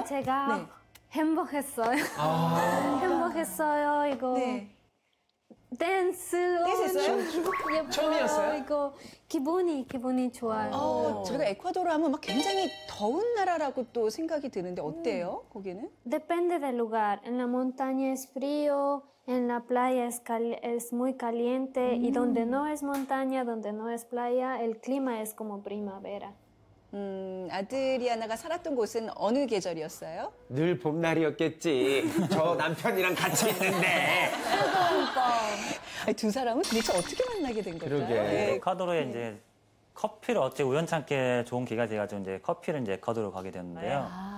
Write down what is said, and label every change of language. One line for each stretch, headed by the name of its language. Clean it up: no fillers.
Korean: 아, 제가 네. 행복했어요. 아~ 행복했어요. 이거 네. 댄스했어요? 처음이었어요? 이거 기분이 좋아요. 제가 에콰도르 하면 막 굉장히 더운 나라라고 또 생각이 드는데 어때요? 거기는?
Spanish: Depende del lugar. En la montaña es frío. En la playa es muy caliente y donde no es montaña, donde no es playa, el clima es como primavera.
Korean: 아드리아나가 살았던 곳은 어느 계절이었어요? 늘 봄날이었겠지. 저 남편이랑 같이 있는데. 아니, 두 사람은 도대체 어떻게 만나게 된 거죠? 그러게. 에콰도르에 네. 이제 커피를 어째 우연찮게 좋은 기가 돼가지고 이제 커피를 이제 에콰도르 가게 됐는데요.